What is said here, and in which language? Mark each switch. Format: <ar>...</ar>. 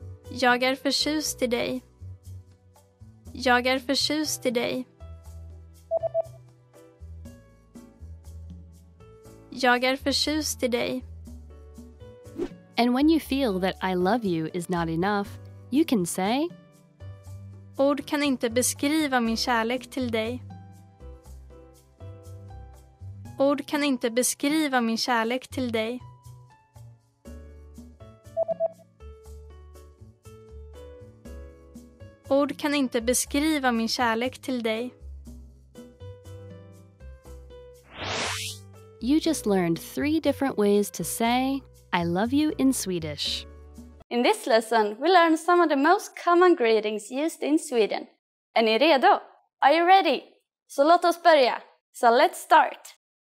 <sv>Jag är förtjust i dig. Jag är förtjust i dig. Jag är förtjust i dig.</sv> <en>And when you feel that I love you is not enough, you can say</en> <sv>Ord kan inte beskriva min kärlek till dig. Ord kan inte beskriva min kärlek till dig. Ord kan inte beskriva min kärlek till dig.</sv> <en>You just learned three different ways to say I love you in Swedish. In this lesson, we learned some of the most common greetings used in Sweden.</en> <sv>Är ni redo?</sv> <en>Are you ready?</en> <sv>Så låt oss börja.</sv> <en>So let's start.</en>